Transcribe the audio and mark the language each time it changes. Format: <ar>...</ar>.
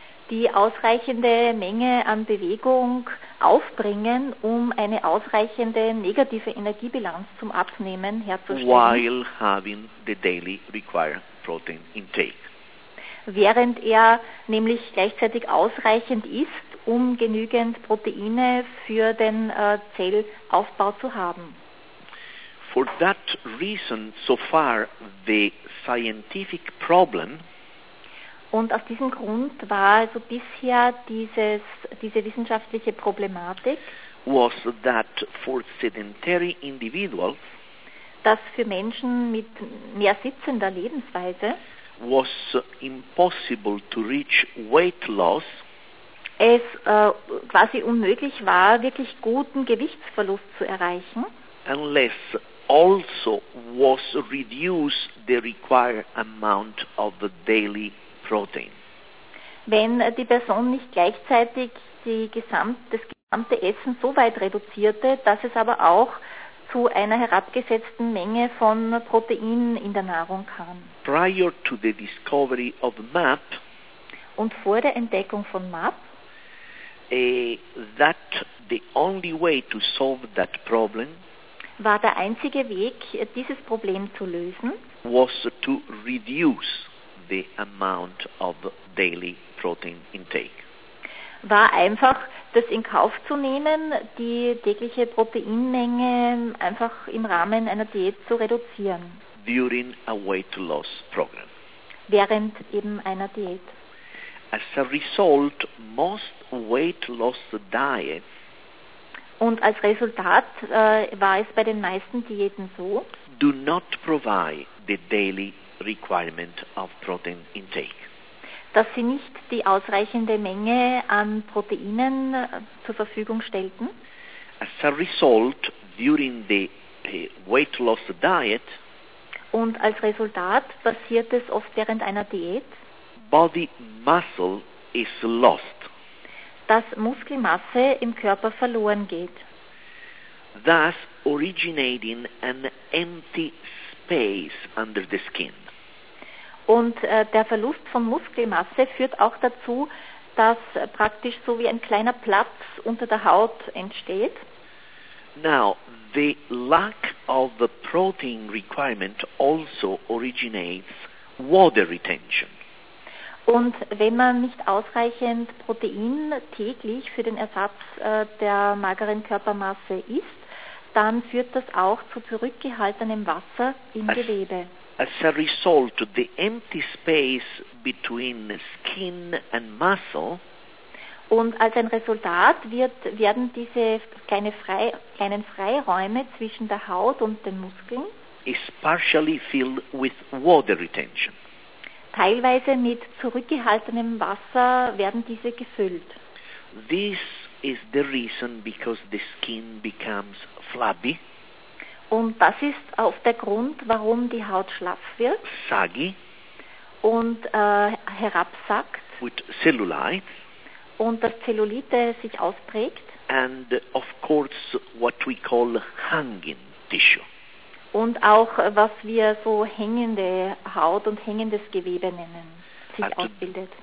<de>die ausreichende Menge an Bewegung aufbringen, um eine ausreichende negative Energiebilanz zum Abnehmen herzustellen,</de> <en>while having the daily required protein intake,</en> <de>während er nämlich gleichzeitig ausreichend isst, um genügend Proteine für den Zellaufbau zu haben.</de> <en>For that reason, so far the scientific problem,</en> <de>und aus diesem Grund war also bisher diese wissenschaftliche Problematik,</de> <en>was that for sedentary individuals,</en> <de>dass für Menschen mit mehr sitzender Lebensweise,</de> <en>was impossible to reach weight loss,</en> <de>es quasi unmöglich war, wirklich guten Gewichtsverlust zu erreichen,</de> <en>unless also was reduced the required amount of the daily protein.</en> <de>Wenn die Person nicht gleichzeitig das gesamte Essen so weit reduzierte, dass es aber auch zu einer herabgesetzten Menge von Proteinen in der Nahrung kam.</de> <en>Prior to the discovery of MAP,</en> <de>und vor der Entdeckung von MAP,</de> <en>that the only way to solve that problem,</en> <de>war der einzige Weg, dieses Problem zu lösen,</de> <en>was to reduce the amount of daily protein intake,</en> <de>war einfach das in Kauf zu nehmen, die tägliche Proteinmenge einfach im Rahmen einer Diät zu reduzieren.</de> <en>during a weight loss program.</en> <de>Während eben einer Diät.</de> <en>As a result, most weight loss diets.</en> <de>Und als Resultat war es bei den meisten Diäten so.</de> <en>Do not provide the daily requirement of protein intake.</en> <de>Dass sie nicht die ausreichende Menge an Proteinen zur Verfügung stellten.</de> <en>As a result, during the weight loss diet.</en> <de>Und als Resultat passiert es oft während einer Diät.</de> <en>Body muscle is lost.</en> <de>Dass Muskelmasse im Körper verloren geht.</de> <en>Thus originating an empty space under the skin.</en> <de>Und der Verlust von Muskelmasse führt auch dazu, dass praktisch so wie ein kleiner Platz unter der Haut entsteht.</de> <en>Now, the lack of the protein requirement also originates water retention.</en> <de>Und wenn man nicht ausreichend Protein täglich für den Ersatz der mageren Körpermasse isst, dann führt das auch zu zurückgehaltenem Wasser im Gewebe.</de> <en>As a result, the empty space between skin and muscle.</en> <de>Und als ein Resultat werden diese kleinen Freiräume zwischen der Haut und den Muskeln</de> <en>is partially filled with water retention.</en> <de>Teilweise mit zurückgehaltenem Wasser werden diese gefüllt.</de> <en>This is the reason because the skin becomes flabby.</en> <de>Und das ist oft der Grund, warum die Haut schlaff wird.</de> <en>Saggy.</en> <de>Und herabsackt.</de> <en>With cellulite.</en> <de>Und dass Zellulite sich ausprägt.</de> <en>And of course what we call hanging tissue.</en> <de>Und auch was wir so hängende Haut und hängendes Gewebe nennen, sich at ausbildet.</de>